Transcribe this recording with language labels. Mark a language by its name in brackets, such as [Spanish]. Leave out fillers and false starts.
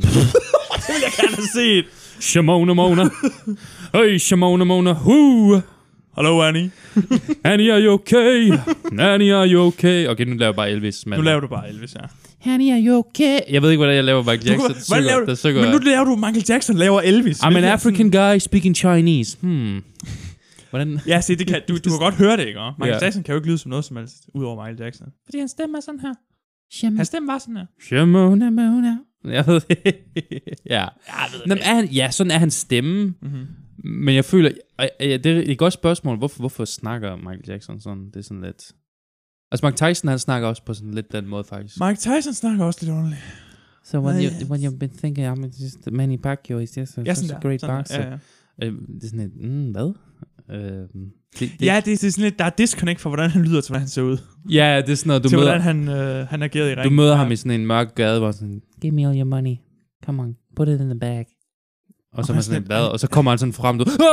[Danish] Det vil jeg gerne have set. Shimona Mona. Hey, Shimona Mona. Hoo. [English] Hello, Annie. Annie, are you okay? Annie, are you okay? Okay, [Danish] nu laver jeg bare Elvis. Men... Nu laver du bare Elvis, ja. [English] Annie, are you okay? [Danish] Jeg ved ikke, hvordan jeg laver Michael Jackson. Men nu laver du Michael Jackson, laver Elvis. [English] I'm an African guy speaking Chinese. [Danish] Hvordan? Ja, se, det kan, du kan godt høre det, ikke? Michael Jackson kan jo ikke lyde som noget som helst, udover Michael Jackson. Fordi hans stemme er sådan her. Hans stemme var sådan her. Shimona Mona. Jeg ved det. Ja. Sådan er hans stemme. Mm-hmm. Men jeg føler, det er et godt spørgsmål, hvorfor snakker Michael Jackson sådan, det er sådan lidt. Altså Mike Tyson, han snakker også på sådan lidt den måde faktisk. Mike Tyson snakker også lidt ordentligt. [English] So when, when you've been thinking, I'm just Manny Pacquiao, he's just such a great boxer. [Danish] Det er sådan lidt, hvad? Det er sådan lidt, der er disconnect for, hvordan han lyder til, hvordan han ser ud. Ja, yeah, det er sådan noget, du til møder. Til hvordan han agerede i ringen. Du møder ham i sådan en mørk gade, hvor sådan, [English] give me all your money, come on, put it in the bag. [Danish] Og så er man sådan lidt, og så kommer han sådan frem, du...